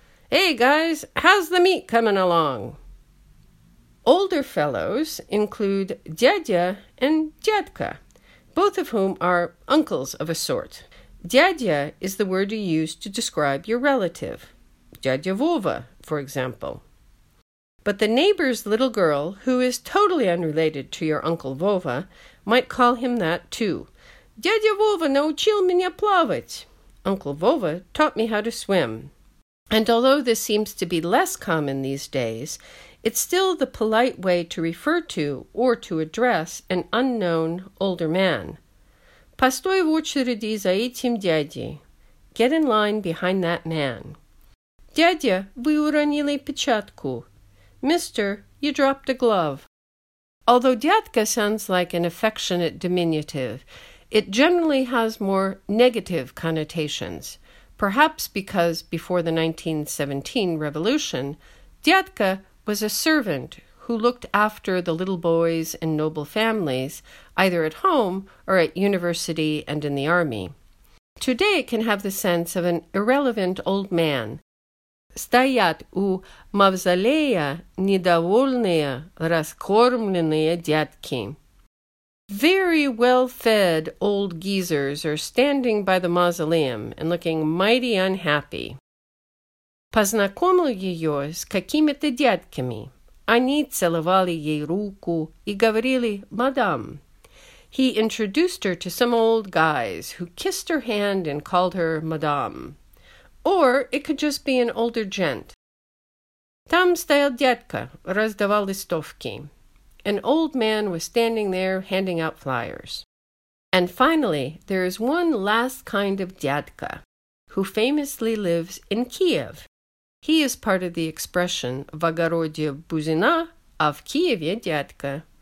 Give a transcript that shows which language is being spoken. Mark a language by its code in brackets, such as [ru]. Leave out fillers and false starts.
[en] Hey, guys, how's the meat coming along? Older fellows include дядя and дядка, both of whom are uncles of a sort. Дядя is the word you use to describe your relative, дядя Вова, for example. But the neighbor's little girl, who is totally unrelated to your uncle Вова, might call him that too. [ru] Дядя Вова научил меня плавать. [en] Uncle Вова taught me how to swim. And although this seems to be less common these days, it's still the polite way to refer to or to address an unknown older man. [ru] Постой в очереди за этим дядей. [en] Get in line behind that man. [ru] Дядя, вы уронили печатку. [en] Mister, you dropped a glove. Although дядка sounds like an affectionate diminutive, it generally has more negative connotations, perhaps because before the 1917 revolution, дядка was a servant who looked after the little boys and noble families, either at home or at university and in the army. Today it can have the sense of an irrelevant old man. [ru] Стоят у мавзолея недовольные раскормленные дядки. [en] Very well-fed old geezers are standing by the mausoleum and looking mighty unhappy. [ru] Познакомил ее с какими-то дядками. Они целовали ей руку и говорили «мадам». [en] He introduced her to some old guys who kissed her hand and called her «madame». Or it could just be an older gent. [ru] Там стоял дядка, раздавал листовки. [en] An old man was standing there handing out flyers. And finally, there is one last kind of дядка, who famously lives in Kiev. He is part of the expression [ru] «в огороде бузина, а в Киеве дядка».